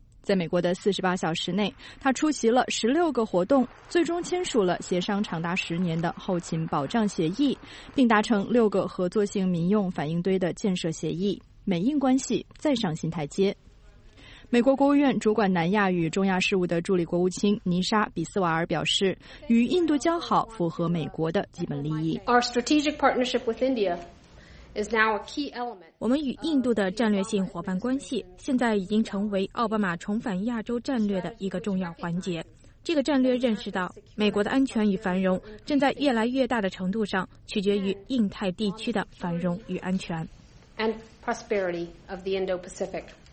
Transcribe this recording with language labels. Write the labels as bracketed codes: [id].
[zh] 在美国的48小时内，他出席了16个活动，最终签署了协商长达10年的后勤保障协议，并达成6个合作性民用反应堆的建设协议，美印关系再上新台阶。美国国务院主管南亚与中亚事务的助理国务卿尼莎·比斯瓦尔表示，与印度交好符合美国的基本利益。 [en] Our strategic partnership with India is now a key element. [zh] 我们与印度的战略性伙伴关系现在已经成为奥巴马重返亚洲战略的一个重要环节。这个战略认识到，美国的安全与繁荣正在越来越大的程度上取决于印太地区的繁荣与安全。 [en] And prosperity of the Indo-Pacific.